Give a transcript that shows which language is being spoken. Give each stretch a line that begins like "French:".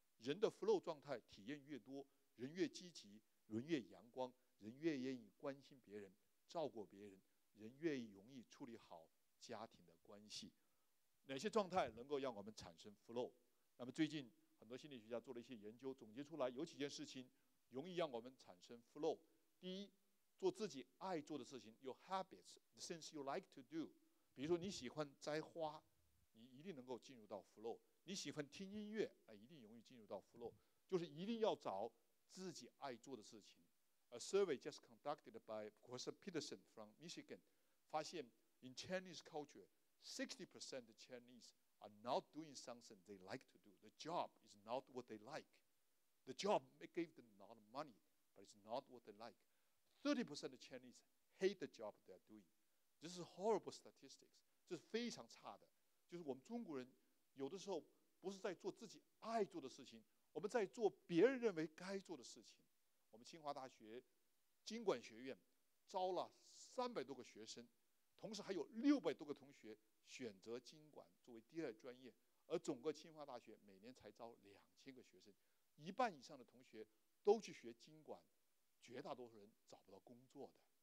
Chinese: 人的 flow 状态体验越多，人越积极，人越阳光，人越愿意关心别人、照顾别人，人越容易处理好家庭的关系。哪些状态能够让我们产生 flow？ 那么最近很多心理学家做了一些研究，总结出来有几件事情容易让我们产生 flow。第一，做自己爱做的事情，
English: your habits, the things you like to do。
Chinese: 比如说你喜欢摘花，你一定能够进入到 flow。你喜欢听音乐，一定容易进入到 flow。就是一定要找自己爱做的事情。
English: A survey just conducted by Professor Peterson from Michigan
Chinese: 发现
English: in Chinese culture 60% of Chinese are not doing something they like to do. The job is not what they like. The job may give them a lot of money, but it's not what they like. 30% of Chinese hate the job they're doing. This is horrible statistics.
Chinese: 这是非常差的，就是我们中国人有的时候不是在做自己爱做的事情，我们在做别人认为该做的事情。我们清华大学经管学院招了300多个学生，同时还有600多个同学选择经管作为第二专业，而整个清华大学每年才招2000个学生，一半以上的同学都去学经管，绝大多数人找不到工作的。